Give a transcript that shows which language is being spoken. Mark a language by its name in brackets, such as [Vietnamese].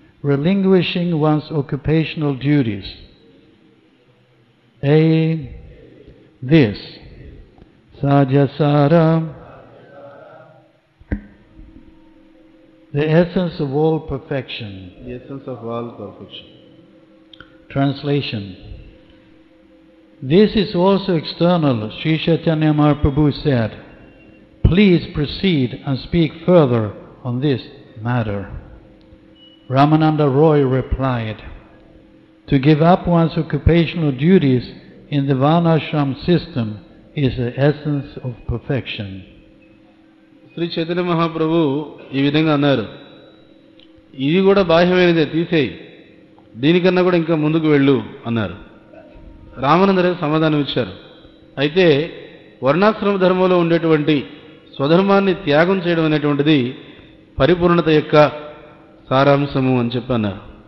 [English] Relinquishing one's occupational duties a this సజసారం. The essence of all perfection. The essence of all perfection. Translation. This is also external. Sri Chaitanya Mahaprabhu said, please proceed and speak further on this matter. Ramananda Roy replied, to give up one's occupational duties in the Varnashram system is the essence of perfection. [Telugu] Shri Chaitanya Mahaprabhu ఈ విధంగా అన్నారు, ఇది కూడా బాహ్యమైనదే, తీసేయి, దీనికన్నా కూడా ఇంకా ముందుకు వెళ్ళు అన్నారు. రామానందరే సమాధానం ఇచ్చారు. అయితే వర్ణాశ్రమ ధర్మంలో ఉండేటువంటి స్వధర్మాన్ని త్యాగం చేయడం అనేటువంటిది పరిపూర్ణత యొక్క సారాంశము అని చెప్పి అన్నారు.